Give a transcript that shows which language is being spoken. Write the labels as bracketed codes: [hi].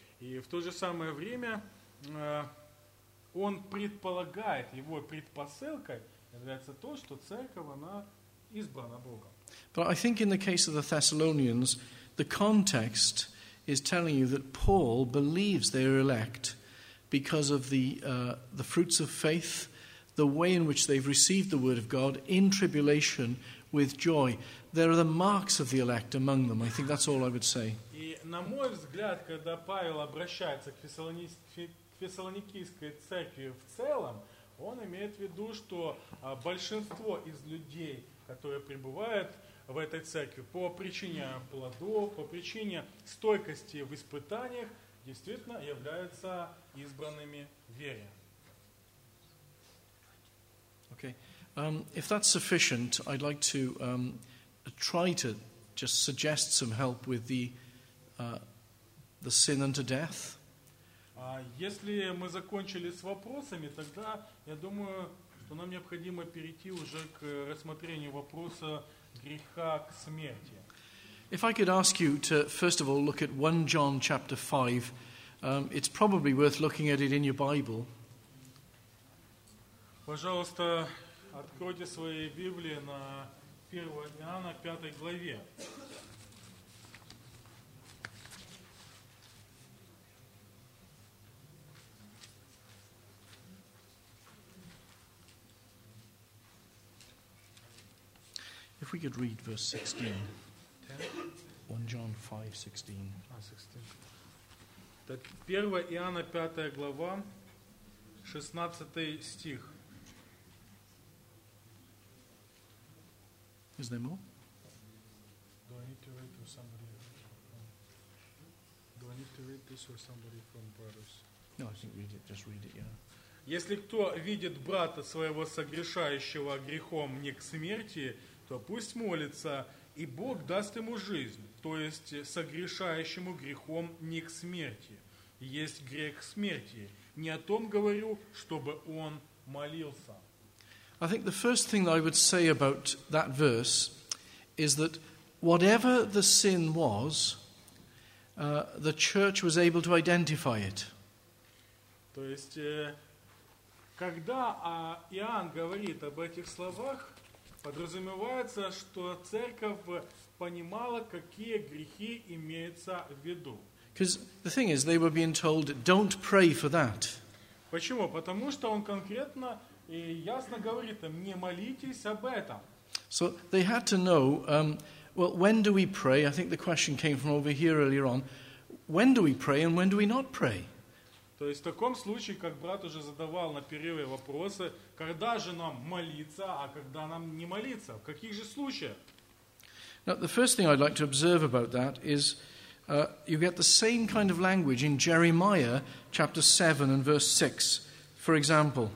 [ru] И в то же самое время он предполагает, его предпосылкой является то, что церковь, она избрана Богом. [en] But I think in the case of the Thessalonians, the context is telling you that Paul believes they are elect because of the fruits of faith, the way in which they've received the word of God in tribulation with joy. There are the marks of the elect among them. I think that's all I would say. [ru] И на мой взгляд, когда Павел обращается к Фессалоникийской церкви в целом, он имеет в виду, что большинство из людей, которые пребывают в этой церкви по причине плодов, по причине стойкости в испытаниях, действительно являются избранными в вере. [en] Okay. If that's sufficient, I'd like to try to just suggest some help with the sin unto death. [ru] Если мы закончили с вопросами, тогда я думаю, что нам необходимо перейти уже к рассмотрению вопроса греха к смерти. [en] If I could ask you to first of all look at 1 John chapter 5, it's probably worth looking at it in your Bible. [ru] Пожалуйста, откройте свои Библии на 1 Иоанна 5 главе. [en] If If we could read verse 16. 1 John 5:16. 16. [ru] 1 Иоанна 5 глава 16 стих. [en] Is there more? Do I need to read to somebody? Do I need to read this or somebody from brothers? No, I think read it, just read it, yeah. [ru] Если кто видит брата своего согрешающего грехом не к смерти, то пусть молится, и Бог даст ему жизнь, то есть согрешающему грехом не к смерти. Есть грех смерти. Не о том говорю, чтобы он молился. [en] I think the first thing that I would say about that verse is that whatever the sin was, the church was able to identify it. [ru] То есть... Когда Иоанн говорит об этих словах, подразумевается, что церковь понимала, какие грехи имеются в виду. [en] Because the thing is, they were being told, don't pray for that. [ru] Почему? Потому что он конкретно и ясно говорит им, не молитесь об этом. [en] So they had to know, well, when do we pray? I think the question came from over here earlier on. When do we pray and when do we not pray? [ru] То есть в таком случае, как брат уже задавал на первые вопросы, когда же нам молиться, а когда нам не молиться? В каких же случаях? [en] Now, the first thing I'd like to observe about that is you get the same kind of language in Jeremiah chapter 7 and verse 6, for example.